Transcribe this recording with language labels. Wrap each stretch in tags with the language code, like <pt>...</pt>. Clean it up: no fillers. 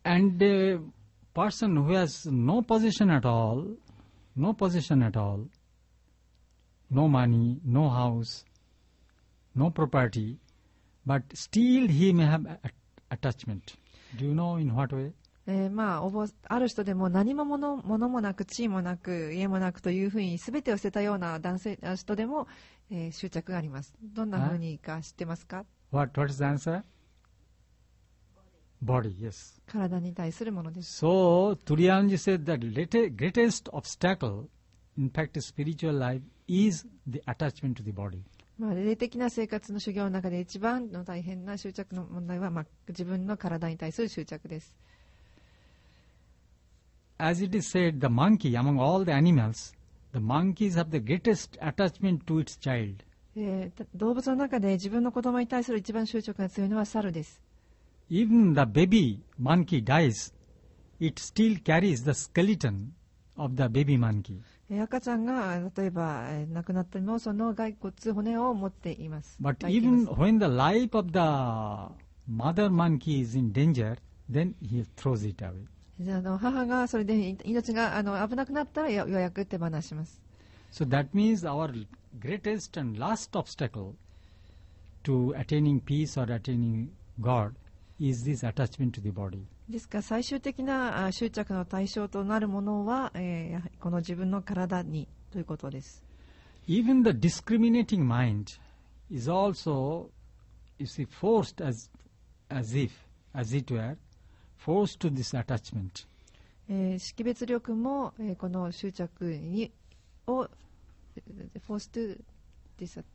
<en>And a person who has no position at all, no position at all, no money, no house, no property, but still he may have attachment. Do you know in what way?</en> <ja>まあ、ある人でも何も物もなく地位もなく家もなくというふうに全てを捨てたような男性人でも、執着があります。どんなふうにか知ってますか？</ja> <en>What is the answer? Body, yes.</en> <ja>体に対するものです。</ja> <en>So, Turiyanji said that the greatest obstacle in fact to spiritual life is the attachment to the body.</en> <ja>まあ、霊的な生活の修行の中で一番の大変な執着の問題は、まあ、自分の体に対する執着です。</ja> <en>As it is said, the monkey among all the animals, the monkeys have the greatest attachment to its child.</en> <ja>動物の中で自分の子供に対する一番執着が強いのは猿です。</ja> <en>Even the baby monkey dies, it still carries the skeleton of the baby monkey.</en> <ja>赤ちゃんが例えば亡くなってもその骸骨骨を持っています。</ja> <en>But even when the life of the mother monkey is in danger, then he throws it away.</en> <ja>母がそれで命が危なくなったらようやく手放します。</ja> <en>So that means our greatest and last obstacle to attaining peace or attaining God is this attachment to the body.</en> <ja>ですから最終的な執着の対象となるものはこの自分の体にということです。</ja> <en>Even the discriminating mind is also, you see, forced as it were. Forced to this attachment.</en> <ja>識別力も、この執着にを</ja> <en>forced to this</en>